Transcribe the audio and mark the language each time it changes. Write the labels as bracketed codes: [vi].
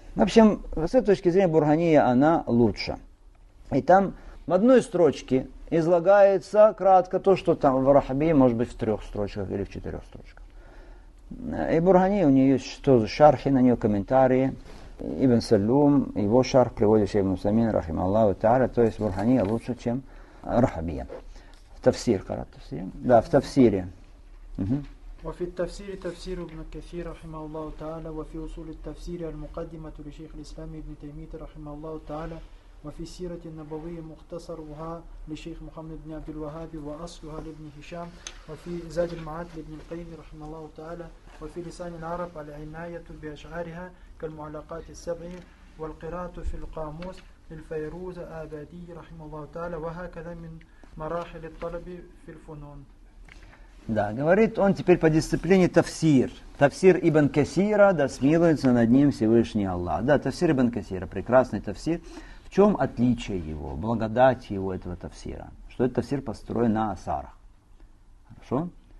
[ru] В общем, с этой точки зрения Бурхания, она лучше. И там в одной строчке излагается кратко то, что там в Рахабии может быть в трех строчках или в четырех строчках. И Бурхания, у нее есть что за шархи, на нее комментарии. Ибн Саллюм, его шарх, приводящий Ибн Усамин, рахима Аллаху Та'аля. То есть Бурхания лучше, чем [ar] رحبية. تفسير قرأت تفسير؟ لا في تفسيره. وفي التفسير تفسير ابن كثير رحمه الله تعالى، وفي أصول التفسير المقدمة لشيخ الإسلام ابن تيمية رحمه الله تعالى، وفي السيرة النبوية مختصرها لشيخ محمد بن عبد الوهاب وأصلها لابن هشام، وفي زاد المعاد لابن القيم رحمه الله تعالى، وفي لسان العرب العناية بأشعارها كالمعلقات السبع، والقراءة في القاموس للفيروز آبادي رحمه الله تعالى، وهكذا من مراحل الطلب في الفنون. [ru] Да, говорит он теперь по дисциплине тафсир. Тафсир Ибн Касира, да смилуется над ним Всевышний Аллах. Да, тафсир Ибн Касира, прекрасный тафсир. В чем отличие его, благодать его, этого тафсира? Что этот тафсир построен на асарах. Хорошо?